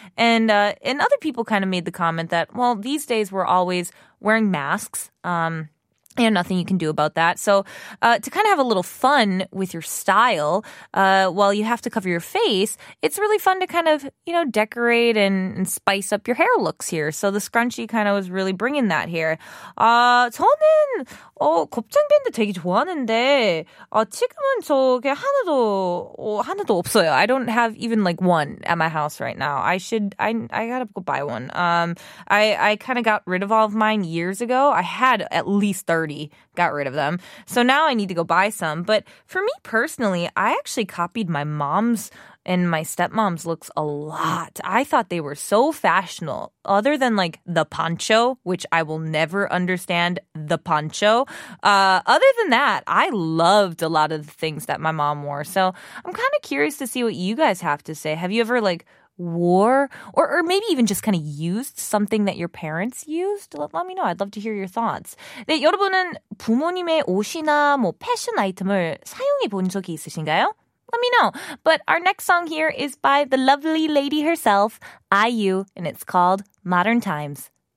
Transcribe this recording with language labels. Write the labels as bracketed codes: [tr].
[en] And other people kind of made the comment that, well, these days we're always wearing masks. You know, nothing you can do about that. So to kind of have a little fun with your style, while you have to cover your face, it's really fun to kind of, you know, decorate and spice up your hair looks here. So the scrunchie kind of was really bringing that here. [ko] 저는 곱창 밴드 되게 좋아하는데 지금은 저게 하나도 없어요. [en] I don't have even like one at my house right now. I gotta go buy one. I kind of got rid of all of mine years ago. I had at least 30, got rid of them. So now I need to go buy some. But for me personally, I actually copied my mom's and my stepmom's looks a lot. I thought they were so fashionable, other than like the poncho, which I will never understand the poncho. Other than that, I loved a lot of the things that my mom wore. So I'm kind of curious to see what you guys have to say. Have you ever like wore or maybe even just kind of used something that your parents used? Let me know. I'd love to hear your thoughts. [ko] 네, 여러분은 부모님의 옷이나 뭐 패션 아이템을 사용해 본 적이 있으신가요? [en] Let me know. But our next song here is by the lovely lady herself, IU, and it's called Modern Times.